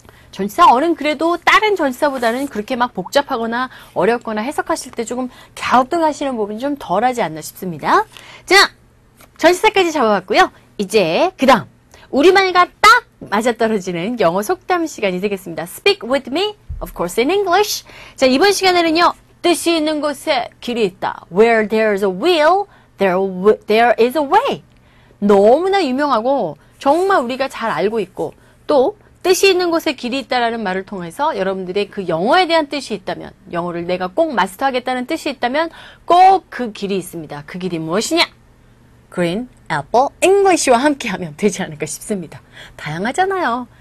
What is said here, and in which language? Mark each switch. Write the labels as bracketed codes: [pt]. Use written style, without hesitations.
[ko] 전치사 어른 그래도 다른 전치사보다는 그렇게 막 복잡하거나 어렵거나 해석하실 때 조금 갸우뚱하시는 부분이 좀 덜하지 않나 싶습니다. 자, 전치사까지 잡아봤고요. 이제 그 다음 우리말과 딱 맞아떨어지는 영어 속담 시간이 되겠습니다. [en] Speak with me, of course, in English. [ko] 자, 이번 시간에는요. 뜻이 있는 곳에 길이 있다. [en] Where there's a will, there is a way. [ko] 너무나 유명하고 정말 우리가 잘 알고 있고 또 뜻이 있는 곳에 길이 있다라는 말을 통해서 여러분들의 그 영어에 대한 뜻이 있다면 영어를 내가 꼭 마스터하겠다는 뜻이 있다면 꼭 그 길이 있습니다. 그 길이 무엇이냐? Green Apple English와 함께하면 되지 않을까 싶습니다. 다양하잖아요.